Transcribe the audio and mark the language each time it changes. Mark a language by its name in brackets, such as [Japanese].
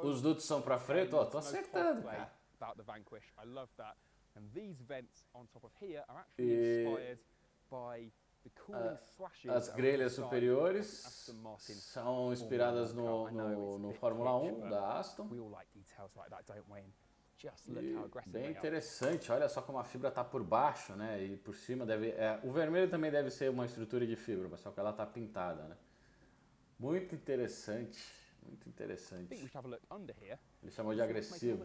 [Portuguese] Os dutos são para frente, ó, tô acertando, cara. [English] About the Vanquish, I love that. And these vents on top of here are actually inspired by the cooling slashes. [Portuguese] As grelhas superiores são inspiradas no Fórmula 1 da Aston. [English] We all like details like that, don't we? Just look how aggressive. [Portuguese] Bem interessante. Olha só como a fibra está por baixo, né? E por cima deve. É, o vermelho também deve ser uma estrutura de fibra, mas só que ela está pintada, né? Muito interessante. Muito interessante. Ele chamou de agressivo.